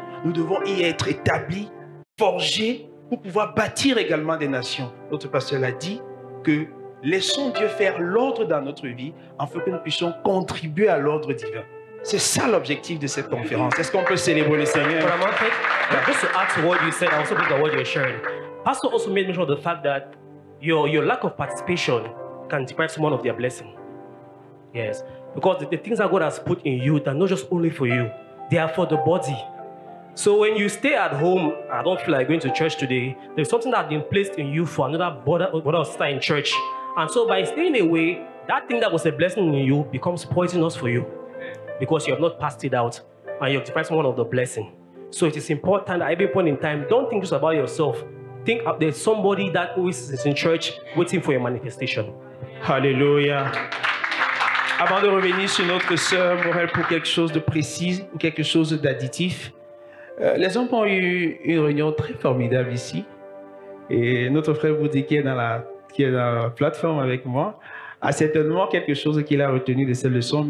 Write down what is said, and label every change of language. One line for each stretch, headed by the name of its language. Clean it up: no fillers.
French: Nous devons y être établis, forgés, pour pouvoir bâtir également des nations. Notre pasteur l'a dit, que laissons Dieu faire l'ordre dans notre vie afin que nous puissions contribuer à l'ordre divin. C'est ça l'objectif de cette conférence. Est-ce qu'on peut célébrer le Seigneur?
English: But I'm afraid, just to ask what you said, also with the word you're sharing. Pastor also made mention of the fact that your lack of participation can deprive someone of their blessing. Yes, because the things that God has put in you, they're not just only for you, they are for the body. So when you stay at home, I don't feel like going to church today, there's something that's been placed in you for another brother or sister in church. And so by staying away, that thing that was a blessing in you becomes poisonous for you because you have not passed it out and you have deprived someone of the blessing. So it is important at every point in time, don't think just about yourself. Think there's somebody that always is in church waiting for your manifestation. Hallelujah.
French: Avant de revenir sur notre sœur Morel pour quelque chose de précis ou quelque chose d'additif, les hommes ont eu une réunion très formidable ici. Et notre frère Boudi, qui est dans la plateforme avec moi, a certainement quelque chose qu'il a retenu de cette leçon.